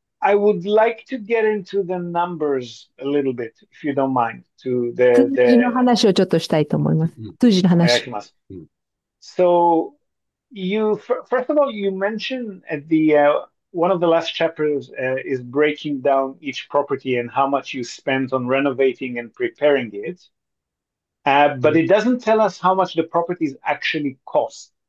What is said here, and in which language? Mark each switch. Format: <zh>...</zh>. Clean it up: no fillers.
<en>I would like to get into the numbers a little bit, if you don't mind, to the</en> <ja>数字の話をちょっとしたいと思います。数字の話。</ja> <en>So first of all, you mentioned at the one of the last chapters is breaking down each property and how much you spent on renovating and preparing it. But it doesn't tell us how much the properties actually cost.</en>